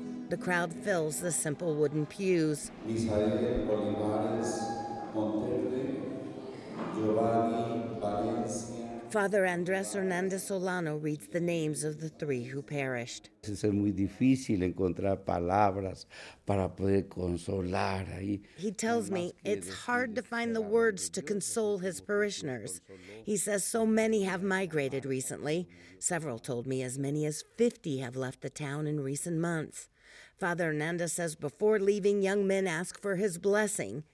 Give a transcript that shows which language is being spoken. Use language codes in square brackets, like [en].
[en] The crowd fills the simple wooden pews. Misael Olivares Monterrey, Giovanni Valencia. Father Andres Hernandez Solano reads the names of the three who perished. [es] Es muy difícil encontrar palabras para poder consolar ahí. [en] He tells me it's hard to find the words to console his parishioners. He says so many have migrated recently. Several told me as many as 50 have left the town in recent months. Father Hernandez says before leaving, young men ask for his blessing.